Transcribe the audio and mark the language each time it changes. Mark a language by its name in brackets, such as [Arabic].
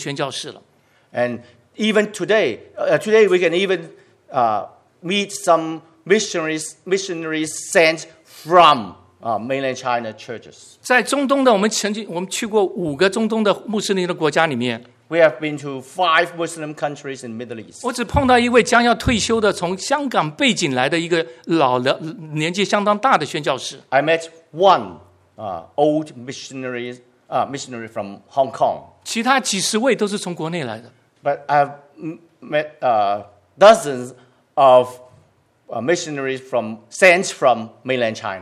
[Chinese] 那在海外的地方碰到的是国内来的，我们讲国内来的中国的宣教士了。 [English] And even today, today we can even meet some missionaries sent from mainland China churches. [Chinese] 在中东的，我们曾经去过5个中东的穆斯林的国家里面。 [English] We have been to 5 Muslim countries in the Middle East. [Chinese] 我只碰到一位将要退休的从香港背景来的一个老的年纪相当大的宣教士。 [English] I met one old missionary from Hong Kong. [Chinese] 其他几十位都是从国内来的。 [English] But I've met dozens of missionaries sent from mainland China.